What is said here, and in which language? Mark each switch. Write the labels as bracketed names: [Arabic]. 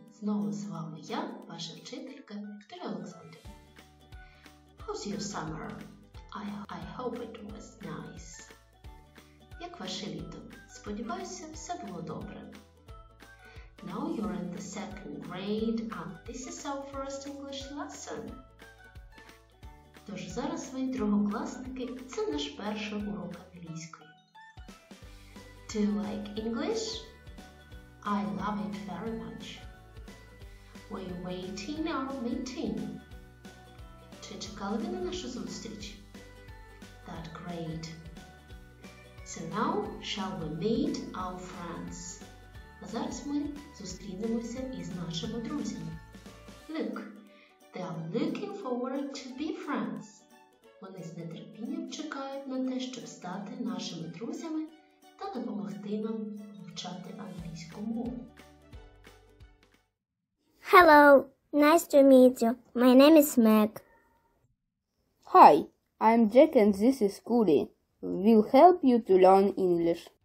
[Ukrainian] Знову з вами я, ваша вчителька Вікторія Олександрівна. [English] How's your summer? I hope it was nice. [Ukrainian] Як ваше літо? Сподіваюся, все було добре. [English] Now you're in the second grade and this is our first English lesson. [Ukrainian] Тож зараз ви другокласники, це наш перший урок англійської. [English] Do you like English? I love it very much. We're waiting our meeting. [Ukrainian] Чи чекали ви на нашу зустріч? [English] That great. So now shall we meet our friends? [Ukrainian] А зараз ми зустрінемося із нашими друзями. [English] Look, they are looking forward to be friends. [Ukrainian] Вони з нетерпінням чекають на те, щоб стати нашими друзями та допомогти нам вивчати англійську мову. [English] Hello, nice to meet you. My name is Meg. Hi, I'm Jack and this is Cody. We'll help you to learn English.